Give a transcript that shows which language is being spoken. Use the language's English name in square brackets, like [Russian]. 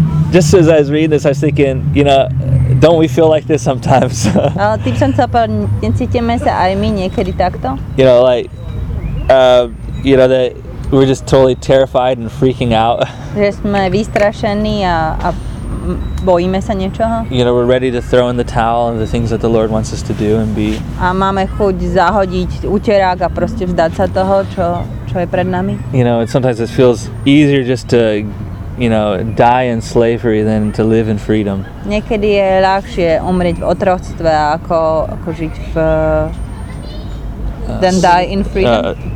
[English] Just as I was reading this, I was thinking, you know, don't we feel like this sometimes? [Slovak] Ale tým som sa povedal, necítime sa aj my niekedy takto? [English] You know, like, you know, that we're just totally terrified and freaking out. [Slovak] Že sme vystrašení a bojíme sa niečoho. [English] You know, we're ready to throw in the towel and the things that the Lord wants us to do and be. [Slovak] A máme chuť zahodiť úterák a proste vzdať sa toho, čo je pred nami. [English] You know, and sometimes it feels easier just to, you know, die in slavery than to live in freedom. [Slovak] Niekedy je ľahšie umrieť v otroctve ako žiť v [English] than die in freedom.